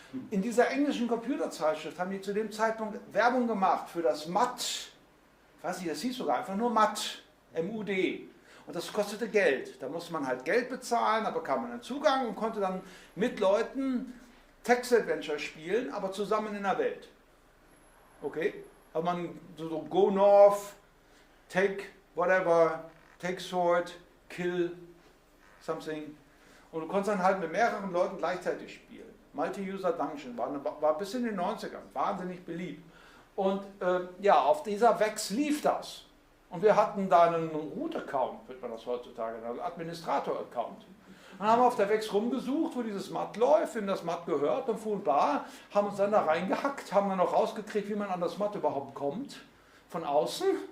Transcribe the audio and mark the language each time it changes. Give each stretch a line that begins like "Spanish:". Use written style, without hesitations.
German: In dieser englischen Computerzeitschrift haben die zu dem Zeitpunkt Werbung gemacht für das MUD. Ich weiß nicht, das hieß sogar einfach nur MUD. M-U-D. Und das kostete Geld. Da musste man halt Geld bezahlen, da bekam man einen Zugang und konnte dann mit Leuten Text-Adventure spielen, aber zusammen in der Welt. Okay? Hat man so
English: go north, take whatever, take sword, kill something.
German: Und du konntest dann halt mit mehreren Leuten gleichzeitig spielen. Multi-User Dungeon war bis in den 90ern wahnsinnig beliebt. Und ja, auf dieser Vex lief das. Und wir hatten da einen Root-Account, wird man das heutzutage nennen, Administrator-Account. Dann haben wir auf der Vex rumgesucht, wo dieses MUD läuft, wem das MUD gehört, und fuhren bar, haben uns dann da reingehackt, haben dann auch rausgekriegt, wie man an das MUD überhaupt kommt, von außen.